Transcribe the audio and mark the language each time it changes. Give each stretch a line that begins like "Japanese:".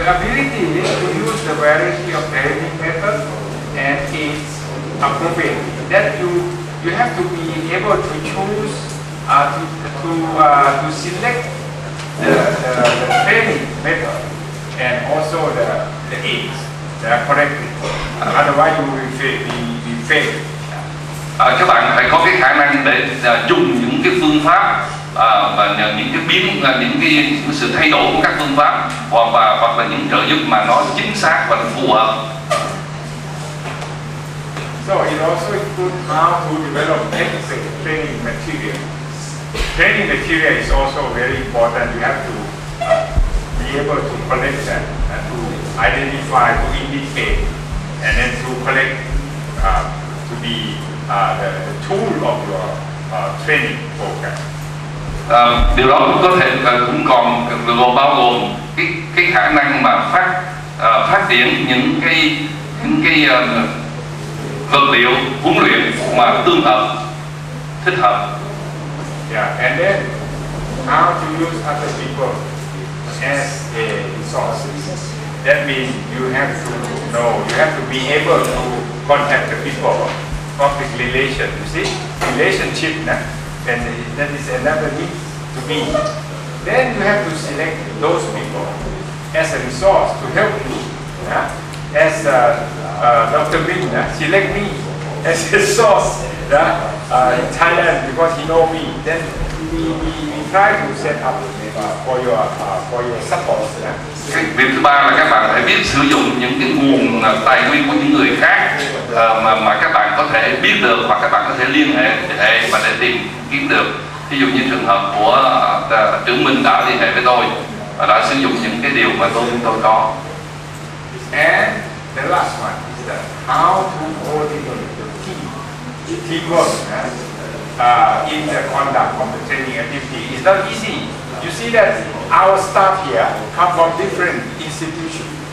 English: The ability is to use the variety of editing method and it's appropriate. That you have to be able to choose to select the training method and also the aids that are corrected. Otherwise you will be failed.
Vietnamese: Các bạn phải có cái khả năng để dùng những cái phương pháp và những cái biến những cái sự thay đổi của các phương pháp hoặc là những trợ giúp mà nó chính xác và phù hợp.
English: So it also includes how to develop necessary training material. Training material is also very important. You have to be able to collect that and to identify, to indicate, and then to collect to be the tool of your training program.
Vietnamese: Điều đó cũng có thể cũng còn bao gồm cái khả năng mà phát triển những cái vật liệu huấn luyện mà tương hợp, thích hợp.
English: Yeah, and then how to use other people as a resources. That means you have to know, you have to be able to contact the people. Public relation, you see, relationship, and that is another need to be. Then you have to select those people as a resource to help you. As Dr. Bin, select me as a source in Thailand because he know me. Then we try to set up for your support.
Vietnamese: Việc thứ ba là các bạn phải biết sử dụng những cái nguồn tài nguyên của những người khác mà các bạn có thể biết được hoặc các bạn có thể liên hệ và để tìm kiếm được. Ví dụ như trường hợp của trưởng Minh đã liên hệ với tôi và đã sử dụng những cái điều mà tôi có.
English: And the last one is that how to coordinate the teamwork in the conduct of the training activity. It's not easy. You see that our staff here come from different institutions.